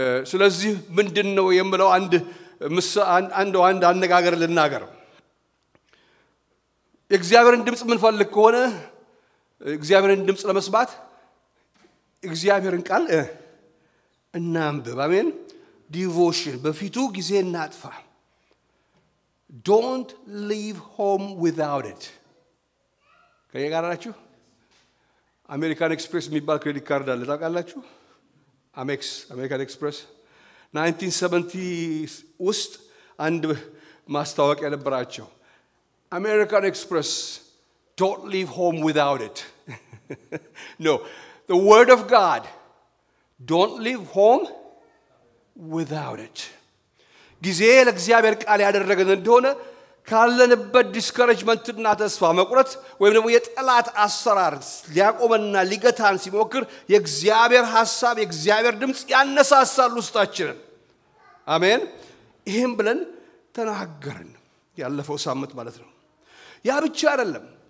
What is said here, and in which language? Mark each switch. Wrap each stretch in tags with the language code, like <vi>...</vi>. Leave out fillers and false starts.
<am>ስለዚህ ምንድን ነው የምለው አንድ አንድ አንድ አነጋገር ልናገር እግዚአብሔርን ድምጽ ምን ፈልክ ሆነ እግዚአብሔርን ድምጽ ለመስማት እግዚአብሔርን ቃል እናንብብ አሜን ዲቮሽን በፊቱ ጊዜ እናጥፋ</am> <en>Don't leave home without it. Can you get that? American Express, my bank credit card. Let me get that. Amex, American Express. 1970s, Ust and Mastawak and Bracho. American Express, don't leave home without it. No, the word of God, don't leave home without it.</en> <am>ጊዜ እግዚአብሔር ቃል ያደረገን እንደሆነ ካለንበት ዲስከረጅመንት እና ተስፋ መቁረጥ ወይም ደግሞ የጠላት አሰራር ሊያቆመና ሊገታን ሲሞክር የእግዚአብሔር ሐሳብ የእግዚአብሔር ድምጽ ያነሳሳል ውስጣችንን አሜን ይሄን ብለን ተናገርን ያለፈው ሳምንት ማለት ነው ያ ብቻ አይደለም</am>